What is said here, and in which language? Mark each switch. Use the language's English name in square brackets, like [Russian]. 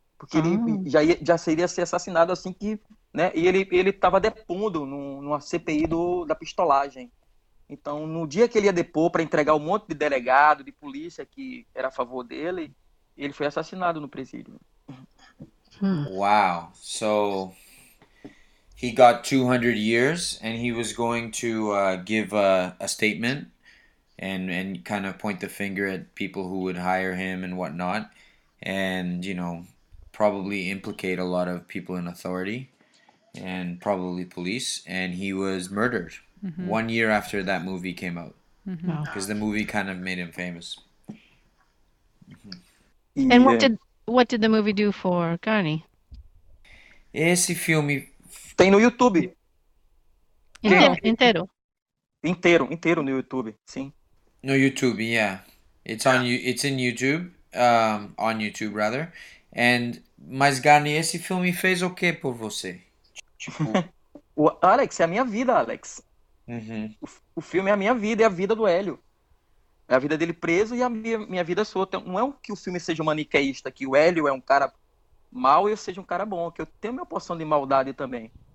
[Portuguese] Porque ele já seria ser assassinado assim que, né? E ele estava depondo numa CPI da pistolagem. Então, no dia que ele ia depor para entregar um monte de delegado, de polícia que era a favor dele, ele foi assassinado no presídio. [English] Wow. So he got 200 years and he was going to give a statement and kind of point the finger at people who would hire him and whatnot and probably implicate a lot of people in authority and probably police, and he was murdered 1 year after that movie came out because the movie kind of made him famous. And what did the movie do for Carney? [Portuguese] Esse filme. Tem no YouTube. Inteiro, Não. inteiro. Inteiro no YouTube, sim. No YouTube, yeah. [English] It's in YouTube, on YouTube rather. [Portuguese] And mas Garni, esse filme fez o quê por você? Tipo. O Alex, é a minha vida, Alex. O filme é a minha vida, é a vida do Hélio. É a vida dele preso e a minha vida sua. Não é que o filme seja maniqueísta, que o Hélio é um cara mau e eu seja um cara bom, que eu tenho minha porção de maldade também.